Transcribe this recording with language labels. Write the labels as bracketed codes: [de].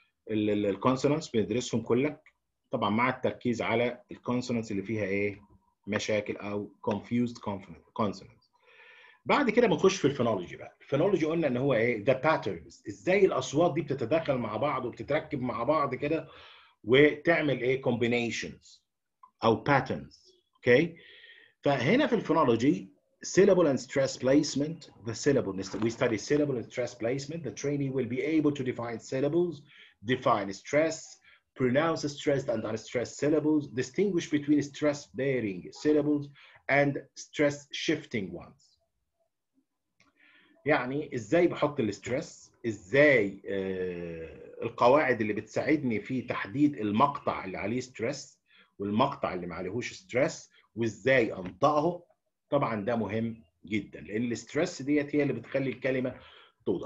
[ar] الكونسوننس بندرسهم كلك طبعا، مع التركيز على الكونسوننس اللي فيها ايه؟ مشاكل او confused consonants. بعد كده بنخش في الفونولوجي بقى. الفونولوجي قلنا ان هو ايه؟ the patterns، ازاي الاصوات دي بتتداخل مع بعض وبتتركب مع بعض كده وتعمل ايه؟ combinations او patterns. اوكي، فهنا في الفونولوجي [en] syllable and stress placement. the syllable we study syllable and stress placement. the trainee will be able to define syllables, define stress, pronounce stressed and unstressed syllables, distinguish between stress-bearing syllables and stress-shifting ones. [ar] يعني ازاي بحط الستريس، ازاي القواعد اللي بتساعدني في تحديد المقطع اللي عليه ستريس والمقطع اللي ما عليهوش ستريس، وازاي انطقه. طبعا ده مهم جدا، لان الستريس ديت هي اللي بتخلي الكلمه طولة.